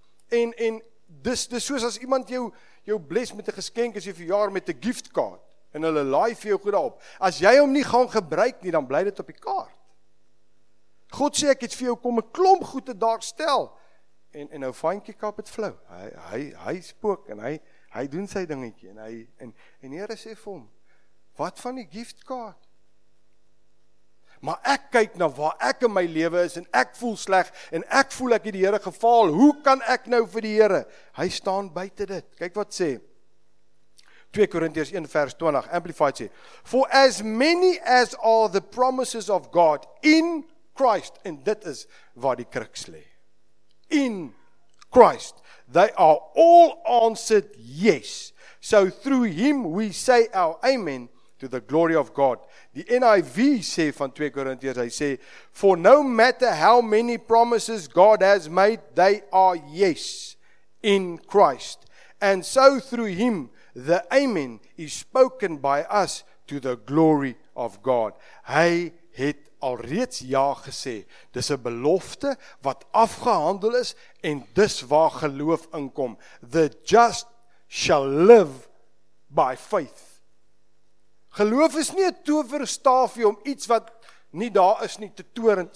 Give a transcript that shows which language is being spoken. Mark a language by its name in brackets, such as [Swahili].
[Afrikaans] En dis soos as iemand jou bless met 'n geskenk as jy verjaar met 'n gift card. En hulle laai vir jou goed op. As jy hom nie gaan gebruik nie, dan bly dit op die kaart. God sê, ek het vir jou kom een klomp goed te daar stel. En nou vankie kap het flou. Hy spook en hy doen sy dingetjie. En Here sê vir hom, wat van die giftkaart? Maar ek kyk na waar ek in my lewe is en ek voel sleg en ek voel ek het die Here gefaal. Hoe kan ek nou vir die Here? Hy staan buite dit. Kyk wat sê. 2 Korintiërs 1 vers 20, Amplified sê, [English] for as many as are the promises of God in Christ, [Afrikaans] en dit is waar die kruks lê, in Christ, [English] they are all answered yes. So through him we say our amen to the glory of God. [Afrikaans] Die NIV sê van 2 Korintiërs, hy sê, [English] for no matter how many promises God has made, they are yes in Christ. And so through him, the amen is spoken by us to the glory of God. [Afrikaans] Hy het alreeds ja gesê. Dis 'n belofte wat afgehandel is en dis waar geloof inkom. [English] The just shall live by faith. [Afrikaans] Geloof is nie 'n toverstaafie om iets wat nie daar is nie te toren.